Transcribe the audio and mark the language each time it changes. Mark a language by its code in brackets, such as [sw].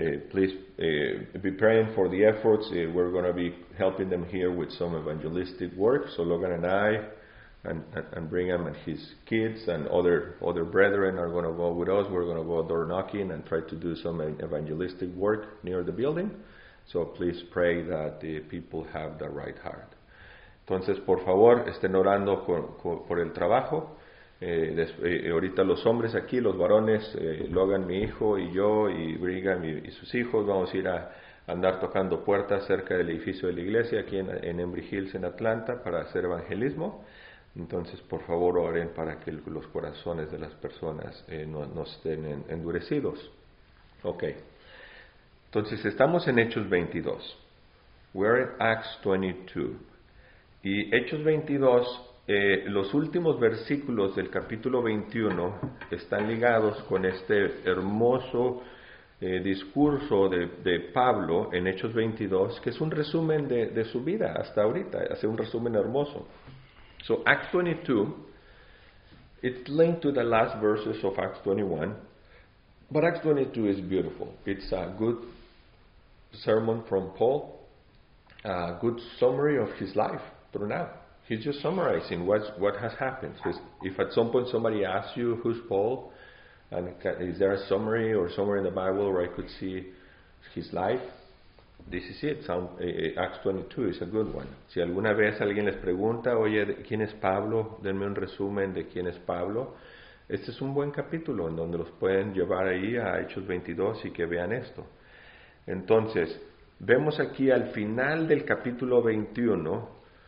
[en] Please be praying for the efforts. We're going to be helping them here with some evangelistic work. So Logan and I and Brigham and his kids and other brethren are going to go with us. We're going to go door knocking and try to do some evangelistic work near the building. So please pray that the people have the right heart. [es] Entonces, por favor, estén orando por el trabajo. Ahorita los hombres aquí, los varones, Logan, mi hijo, y yo, y Brigham y sus hijos, vamos a ir a andar tocando puertas cerca del edificio de la iglesia aquí en Embry Hills, en Atlanta, para hacer evangelismo. Entonces, por favor, oren para que los corazones de las personas no estén endurecidos. Ok. Entonces, estamos en Hechos 22. [en] We're in Acts 22. [es] Y Hechos 22... los últimos versículos del capítulo 21 están ligados con este hermoso discurso de Pablo en Hechos 22, que es un resumen de su vida hasta ahorita, hace un resumen hermoso. [en] So Acts 22, it's linked to the last verses of Acts 21, but Acts 22 is beautiful. It's a good sermon from Paul, a good summary of his life through now. He's just summarizing what has happened. If at some point somebody asks you, who's Paul? And is there a summary or somewhere in the Bible where I could see his life? This is it. Acts 22 is a good one. [es] Si alguna vez alguien les pregunta, oye, ¿quién es Pablo? Denme un resumen de quién es Pablo. Este es un buen capítulo en donde los pueden llevar ahí a Hechos 22 y que vean esto. Entonces, vemos aquí al final del capítulo 21...